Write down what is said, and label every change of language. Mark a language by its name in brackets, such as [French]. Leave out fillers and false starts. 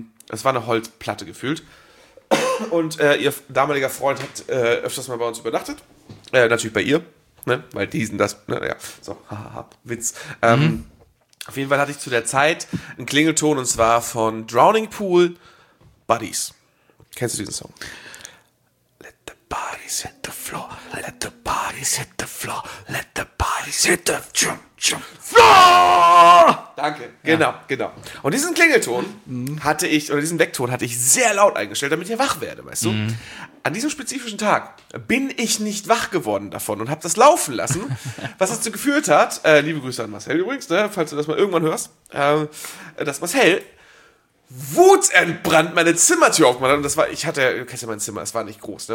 [German] Es war eine Holzplatte gefühlt. Und ihr damaliger Freund hat öfters mal bei uns übernachtet. Natürlich bei ihr, ne? Weil diesen das, ne? Ja, so, haha, Witz. Auf jeden Fall hatte ich zu der Zeit einen Klingelton und zwar von Drowning Pool Buddies. Kennst du diesen Song? [English] Let the bodies hit the floor, let the bodies hit the floor, let the bodies hit the jump, jump, floor! [German] Danke, genau, ja. Genau. Und diesen Klingelton hatte ich, oder diesen Weckton hatte ich sehr laut eingestellt, damit ich wach werde, weißt du? An diesem spezifischen Tag bin ich nicht wach geworden davon und habe das laufen lassen, was dazu geführt hat, liebe Grüße an Marcel übrigens, ne, falls du das mal irgendwann hörst, dass Marcel wutentbrannt meine Zimmertür aufgemacht hat. Und das war, ich hatte, du kennst ja mein Zimmer, es war nicht groß, ne?